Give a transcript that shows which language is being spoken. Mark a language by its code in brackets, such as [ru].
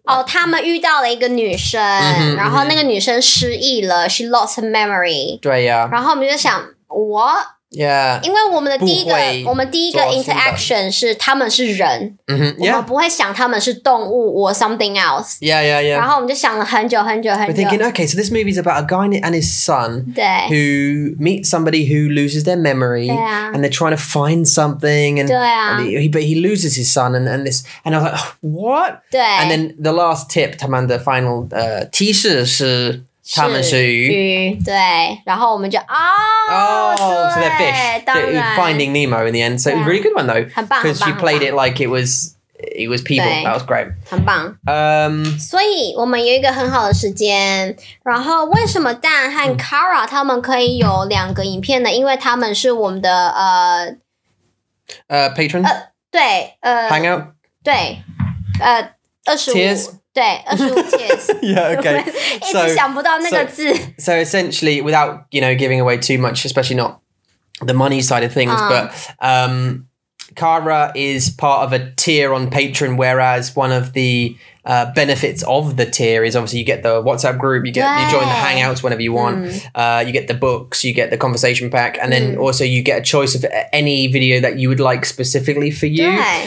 [zh] 哦，他们遇到了一个女生，然后那个女生失忆了。 [en] She lost her memory. [zh] 对呀。然后我们就想 ， [en] What? Yeah. [zh] 因为我们的第一个，我们第一个 interaction 是他们是人。 [en] 嗯哼。Yeah. [zh] 我们不会想他们是动物 [en] or something else. Yeah, yeah, yeah. [zh] 然后我们就想了很久很久很久。 [en] We're thinking, okay, so this movie is about a guy and his son. [zh] 对。 [en] Who meets somebody who loses their memory. Yeah. And they're trying to find something. And, [zh] 对啊。 [en] But he loses his son and this. And I was like, what? [zh] 对。 [en] And then the last tip, [zh] 他们的 [en] final, [zh] 提示是。他们是鱼，对，然后我们就 [en] so they're fish. [zh] 当然 [en] Finding Nemo in the end, so really good one though. [zh] 很棒， [en] Because she played it like it was people. That was great. [zh] 很棒。所以我们有一个很好的时间。然后为什么 Dan 和 Kara 他们可以有两个影片呢？因为他们是我们的 [en] patron. [zh] 对， [en] hangout. [zh] 对，25。 [en] Yeah, okay. [zh] So, 一直想不到那个字。 [en] So essentially, without, you know, giving away too much, especially not the money side of things, but Kara is part of a tier on Patreon, whereas one of the benefits of the tier is obviously you get the WhatsApp group, you join the Hangouts whenever you want, you get the books, you get the conversation pack, and then also you get a choice of any video that you would like specifically for you.